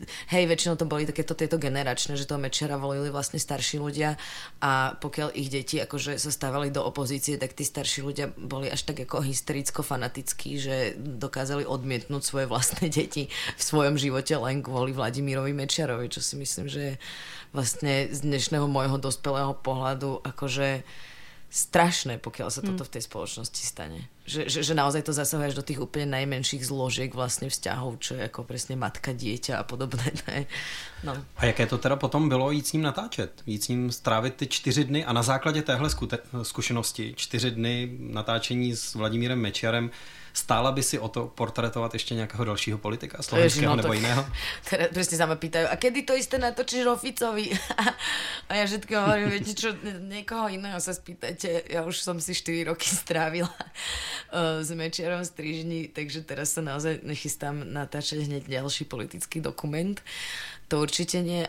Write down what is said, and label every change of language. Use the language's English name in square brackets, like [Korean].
[Slovak] hej, väčšinou to boli takéto tieto generačné, že toho Mečera volili vlastne starší ľudia a pokiaľ ich deti akože sa stávali do opozície, tak tí starší ľudia boli až tak ako hystericko-fanatickí, že dokázali odmietnúť svoje vlastné deti v svojom živote len kvôli Vladimírovi Mečiarovi, čo si myslím, že je vlastne z dnešného môjho dospelého pohľadu akože strašné, pokiaľ sa toto v tej spoločnosti stane. Že naozaj to zasahuje až do tých úplne najmenších zložiek vlastne vzťahov, čo je ako presne matka, dieťa a podobné. No. [Czech] A jaké to teda potom bylo jít s ním natáčet? Jít s ním strávit ty 4 dny a na základe téhle skúsenosti 4 dny natáčení s Vladimírem Mečiarem, [Slovak] stála by si o to portretovať ešte nejakého ďalšieho politika slovenského no, [Czech] nebo iného? [Slovak] Teraz presne sa ma pýtajú, a kedy to isté natočíš Roficovi? A ja všetko hovorím, viete čo, niekoho iného sa spýtajte, ja už som si 4 roky strávila s Mečiarom strižni, takže teraz sa naozaj nechystám natáčať hneď ďalší politický dokument. To určite nie.